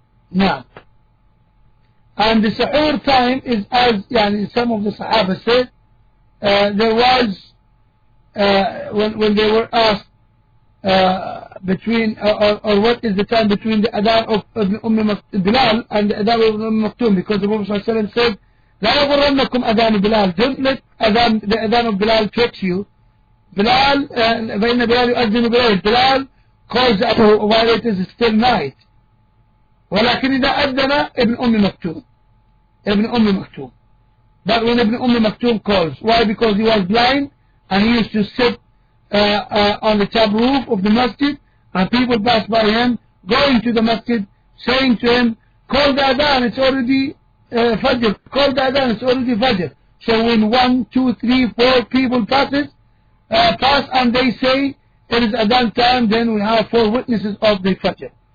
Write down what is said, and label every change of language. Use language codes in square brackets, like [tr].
[en] Now, and the sahur time is as some of the Sahaba said, there was when they were asked between or what is the time between the Adhan of Umm Bilal and the Adhan of Umm Maktoum, because the Prophet ﷺ said, [ar] لا يغرنكم أذان بلال. [en] Don't let the Adhan of Bilal touch you. [ar] Bilal, فإن بلال يؤذن بلال. [en] Bilal calls while it is still night. [ar] ولكن إذا أذن ابن أم مكتوم. ابن أم مكتوم. [en] But when ابن أم مكتوم calls, why? Because he was blind and he used to sit on the top roof of the masjid and people passed by him going to the masjid saying to him, call the Adhan, it's already Fajr. Call the Adhan, it's already Fajr. So when 1, 2, 3, 4 people pass and they say it is Adhan time, then we have 4 witnesses of the Fajr.